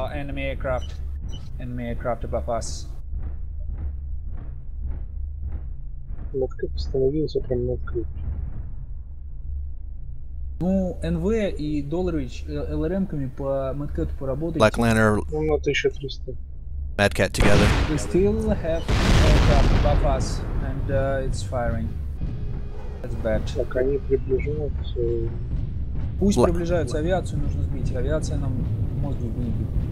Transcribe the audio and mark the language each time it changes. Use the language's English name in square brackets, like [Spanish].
[English] Enemy aircraft above us. [Russian] Медкет остановился прям на открытии. Ну, НВ и Долларович ЛРМ-ками по Медкету поработали. [English] Black Lantern. [Russian] Ну, на 1300. [English] Медкет together. We still have aircraft above us, and it's firing. That's bad. [Russian] Так, они приближаются. Пусть приближаются, авиацию нужно сбить. Авиация нам мозги выебит.